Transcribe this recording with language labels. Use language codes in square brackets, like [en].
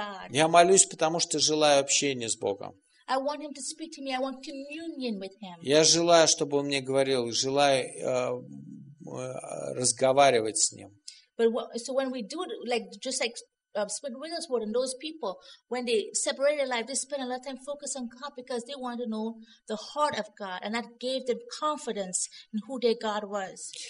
[ru] Я молюсь, потому что желаю общения с Богом. [en] I want him to speak to me. I want communion with him. [ru] Я желаю, чтобы он мне говорил, желаю разговаривать с ним. [en] But so when we do it, like just like Spirit Wigglesworth and those people, when they separate their life, they spend a lot of time focused on God because they want to know the heart of God, and that gave them confidence in who their God was.